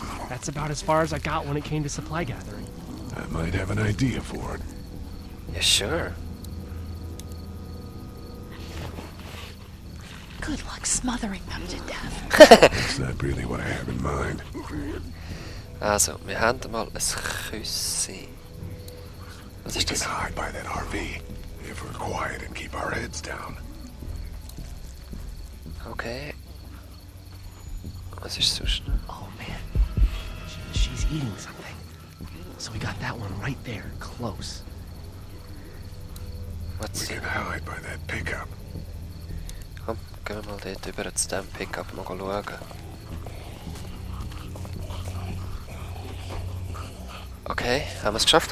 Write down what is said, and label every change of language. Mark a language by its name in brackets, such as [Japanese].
[English] That's about as far as I got when it came to supply gathering. I might have an idea for it. Yeah, sure. Good luck smothering them to death. Is that really what I have in mind? [German] Also, wir haben mal ein Küssi. Was ist das? [English] We can hide by that RV. If we're quiet and keep our heads down. [German] Okay. Was ist sonst noch? [English] Oh man. She's eating something. So we got that one right there, close. Let's see. We can hide by that pickup. [German] Komm, gehen wir mal da drüber zu dem Pickup mal schauen. Okay, haben wir es geschafft?